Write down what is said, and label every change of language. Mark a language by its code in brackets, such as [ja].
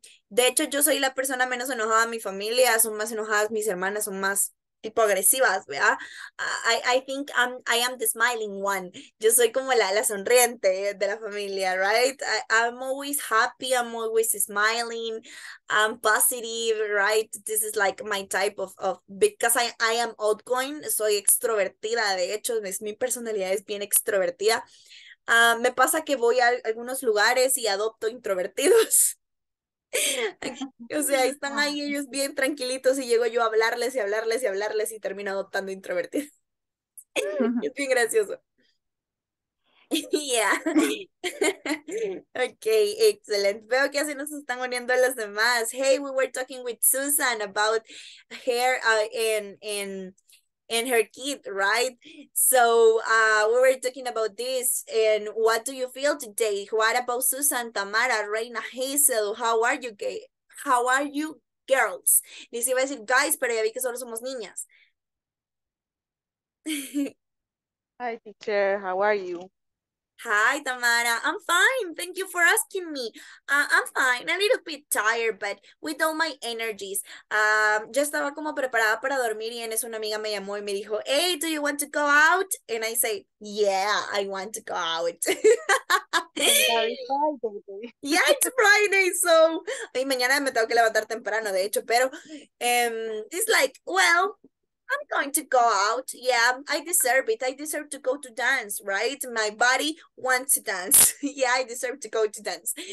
[es] De hecho, yo soy la persona menos enojada de mi familia. Son más enojadas mis hermanas, son más tipo agresivas, ¿verdad? [en] I think I am the smiling one. [es] Yo soy como la sonriente de la familia, right? [en] I'm always happy, I'm always smiling, I'm positive, right? This is like my type of because I am outgoing, [es] soy extrovertida, de hecho, mi personalidad es bien extrovertida. Me pasa que voy a algunos lugares y adopto introvertidos. O sea, están ahí ellos bien tranquilitos y llego yo a hablarles y termino adoptando introvertido. Es bien gracioso. [en] Yeah. Okay, excellent. [es] Veo que así nos están uniendo las demás. [en] Hey, we were talking with Susan about her and her kid, right? So we were talking about this. And what do you feel today? What about Susan, Tamara, Reina, Hazel? How are you, how are you girls? [es] Les iba a decir guys, pero ya vi que solo somos niñas. [en] Hi, teacher. How are you? Hi, Tamara. I'm fine. Thank you for asking me. I'm fine. A little bit tired, but with all my energies. [es] Yo estaba como preparada para dormir y en eso una amiga me llamó y me dijo, [en] hey, do you want to go out? And I say, yeah, I want to go out. Yeah, it's Friday, so... [es] Y mañana me tengo que levantar temprano, de hecho, pero... [en] it's like, well... I'm going to go out. Yeah, I deserve it. I deserve to go to dance, right? My body wants to dance. Yeah, I deserve to go to dance.